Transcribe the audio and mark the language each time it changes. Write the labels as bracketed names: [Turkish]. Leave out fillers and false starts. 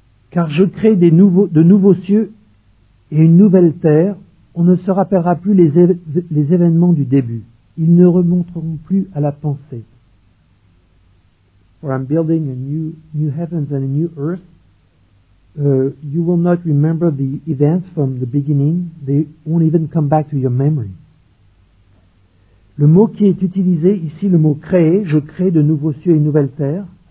[French] Car je crée de nouveaux cieux et une nouvelle terre, on ne se rappellera plus les événements du début. Ils ne remonteront plus à la pensée. [English] For I'm building a new heavens and a new earth. You will not remember the events from the beginning. They won't even come back to your memory. [French] Le mot qui est utilisé ici, le mot créer, je crée de nouveaux cieux et une nouvelle terre.